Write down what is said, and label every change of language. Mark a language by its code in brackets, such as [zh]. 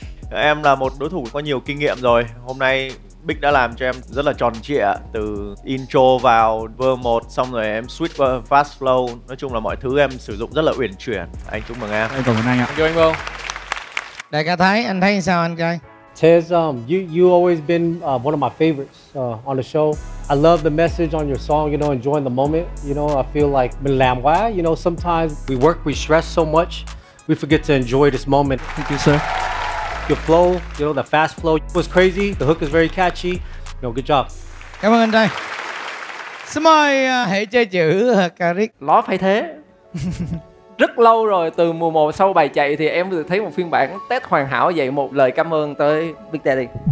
[vi] Em là một đối thủ có nhiều kinh nghiệm rồi. Hôm nay Big đã làm cho em rất là tròn trịa. Từ intro vào verse 1, xong rồi em switch qua fast flow. Nói chung là mọi thứ em sử dụng rất là uyển chuyển. Anh chúc mừng em. Anh cảm ơn anh ạ. Chúc anh Vương. Đại ca Thái, anh thấy sao anh trai? [en] Tez, you always been one of my favorites on the show. I love the message on your song, you know, enjoying the moment. You know, I feel like [vi] mình làm quá, [en] you know, sometimes we work, we stress so much, we forget to enjoy this moment. Thank you, sir. Your flow, you know, the fast flow was crazy. The hook is very catchy. You know, good job. [vi] Cảm ơn anh trai. Xin mời hãy chơi chữ Karik. Nó phải thế. Rất lâu rồi, từ mùa 1 sau bài chạy thì em được thấy một phiên bản test hoàn hảo. Vậy một lời cảm ơn tới Big Daddy.